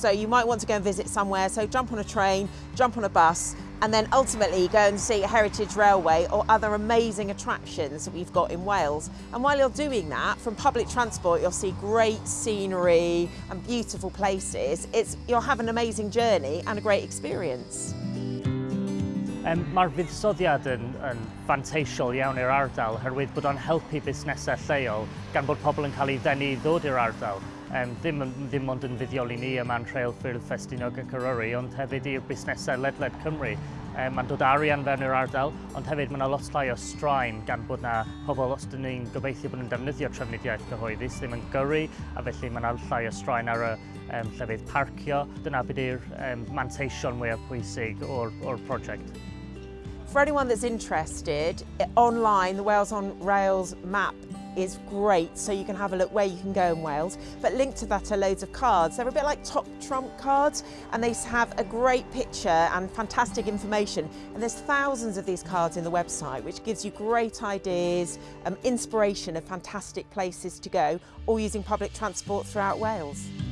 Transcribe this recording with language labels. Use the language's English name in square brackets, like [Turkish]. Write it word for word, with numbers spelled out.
[English] So you might want to go and visit somewhere, so jump on a train, jump on a bus, and then ultimately go and see a heritage railway or other amazing attractions that we've got in Wales. And while you're doing that, from public transport, you'll see great scenery and beautiful places. It's, you'll have an amazing journey and a great experience. [Welsh] Um, Mae'r fuddsoddiad yn, yn fanteisiol iawn i'r ardal, herwydd bod o'n helpu busnesau lleol gan bod pobl yn cael ei ddenu i ddod i'r ardal. Um, ddim, ddim ond yn fuddiol i ni yma yn Rheilffyrdd, Ffestiniog ac Eryri, ond hefyd i'r busnesau ledled Cymru. Um, mae'n dod arian fewn i'r ardal, ond hefyd mae yna lot llai o straen gan bod na pobl os dyn ni'n gobeithio bod nhw'n defnyddio trefnidiaeth gyhoeddus, ddim yn gyrru, a felly mae yna llai o straen ar y um, llefydd parcio. Dyna byd yw'r um, manteision mwyaf pwysig o'r, o'r prosiect. [English] For anyone that's interested, online the Wales on Rails map is great, so you can have a look where you can go in Wales, but linked to that are loads of cards. They're a bit like top trump cards and they have a great picture and fantastic information, and there's thousands of these cards in the website which gives you great ideas and inspiration of fantastic places to go, all using public transport throughout Wales.